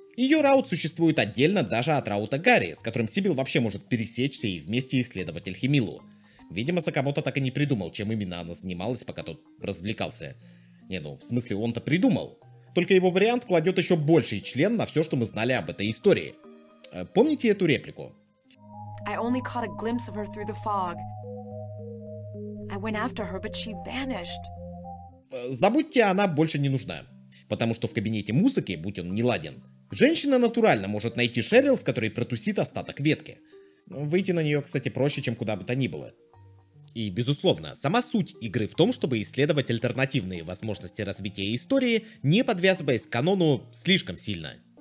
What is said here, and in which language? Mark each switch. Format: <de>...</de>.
<ru>Ее раут существует отдельно даже от раута Гарри, с которым Сибил вообще может пересечься и вместе исследовать Альхимилу. Видимо, за кого-то так и не придумал, чем именно она занималась, пока тот развлекался. Не, ну, в смысле, он-то придумал. Только его вариант кладет еще больший член на все, что мы знали об этой истории. Помните эту реплику?</ru> <en>I only caught a glimpse of her through the fog. I went after her, but she vanished.</en> <ru>Забудьте, она больше не нужна. Потому что в кабинете музыки, будь он неладен, женщина натурально может найти Шерил, с которой протусит остаток ветки. Выйти на нее, кстати, проще, чем куда бы то ни было. И, безусловно, сама суть игры в том, чтобы исследовать альтернативные возможности развития истории, не подвязываясь к канону слишком сильно.</ru>